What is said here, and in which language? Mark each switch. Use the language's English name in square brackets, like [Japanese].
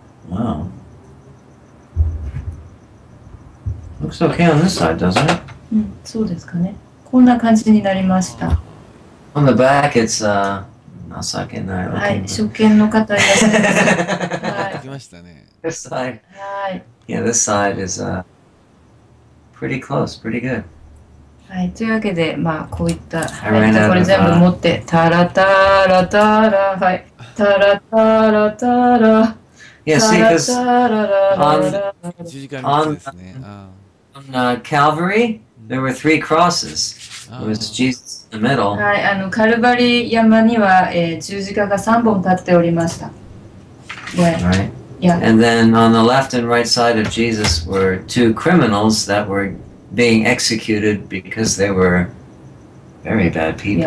[English] Wow. Looks okay on this side, doesn't it? [Japanese] そうですかね。こんな感じになりました。 [English] On the back, it's, [Japanese] 情けない。はい、初見の方いらっしゃいましたね。 [English] This side. [Japanese] はい。 [English] Yeah, this side is, pretty close, pretty good. [Japanese] はい、というわけで、まあ、こういった、これ全部持って、タラタラタラ、はい、タラタラタラ、 yeah, タラタラタラ、十字架のやつですね。 [English] On Calvary, there were three crosses. It was Jesus in the middle. [Japanese] はい、カルバリ山には、十字架が3本立っておりました。 [English] Right. And then on the left and right side of Jesus were two criminals that were... being executed because they were very bad people.